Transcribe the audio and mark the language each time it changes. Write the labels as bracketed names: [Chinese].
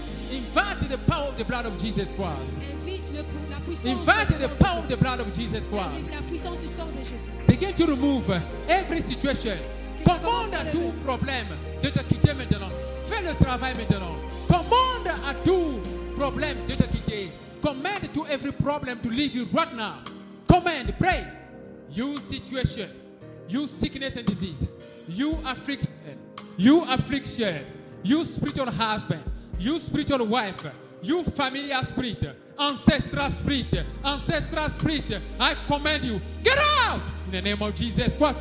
[English] Invite the power of the blood of Jesus Christ. Invite the power of the blood of Jesus Christ. Begin to remove every situation. [French] Commande à tout problème de te quitter maintenant. Fais le travail maintenant. Commande à tout problème de te quitter. [English] Command to every problem to leave you right now. Command, pray. You situation, you sickness and disease, you affliction, you affliction, you spiritual husband, you spiritual wife, you familiar spirit, ancestral spirit, ancestral spirit, I command you, get out in the name of Jesus Christ.